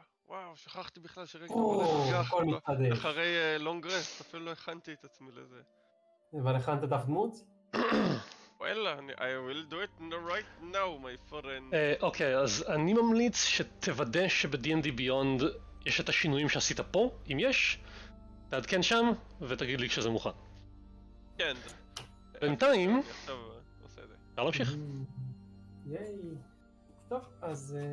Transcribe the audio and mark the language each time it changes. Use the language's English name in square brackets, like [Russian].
[Hebrew] וואו, שכחתי בכלל שרגע הולך ככה. אחרי לונג רסט, אפילו לא הכנתי את עצמי לזה. אבל הכנת דף דמות? [English] וואלה, I will do it right now, my friend. [Hebrew] אוקיי, אז אני ממליץ שתוודא שב-D&D Beyond יש את השינויים שעשית פה, אם יש, תעדכן שם ותגיד לי כשזה מוכן. כן. בינתיים... טוב, עושה את זה. אפשר להמשיך? ייי. טוב, אז...